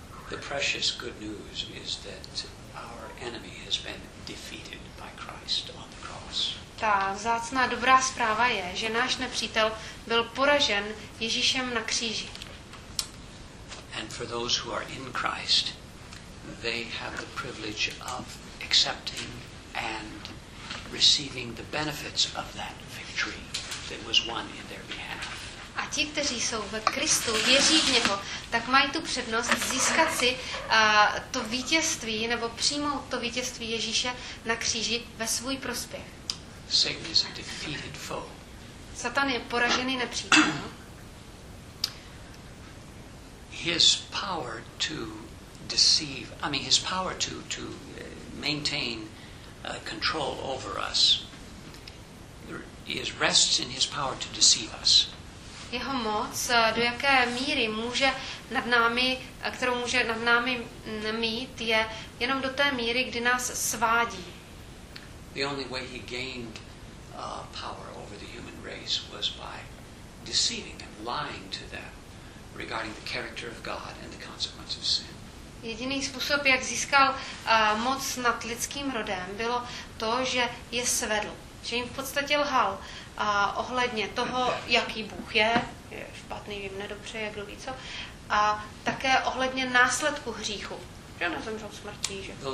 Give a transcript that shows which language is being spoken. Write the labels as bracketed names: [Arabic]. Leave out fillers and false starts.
[English] The precious good news is that our enemy has been defeated by Christ on the cross. [Czech] Ta vzácná dobrá zpráva je, že náš nepřítel byl poražen Ježíšem na kříži. [English] And for those who are in Christ, they have the privilege of accepting and receiving the benefits of that victory that was won in their behalf. [Czech] A ti, kteří jsou ve Kristu, věří v něho, tak mají tu přednost získat si to vítězství nebo přijmout to vítězství Ježíše na kříži ve svůj prospěch. [English] Satan is a defeated foe. [Czech] Satan je poražený nepřítel. [English] His power to deceive, I mean his power to maintain control over us rests in his power to deceive us. [Czech] Jeho moc, do jaké míry může nad námi, kterou může nad námi mít, je jenom do té míry, kdy nás svádí. [English] The only way he gained power over the human race was by deceiving them, lying to them regarding the character of God and the consequences of sin. [Czech] Jediný způsob, jak získal moc nad lidským rodem, bylo to, že je svedl. Že jim v podstatě lhal ohledně toho, jaký Bůh je špatný, vím, nedobře, jak kdo ví co, a také ohledně následku hříchu, že nezemřel smrtí, že.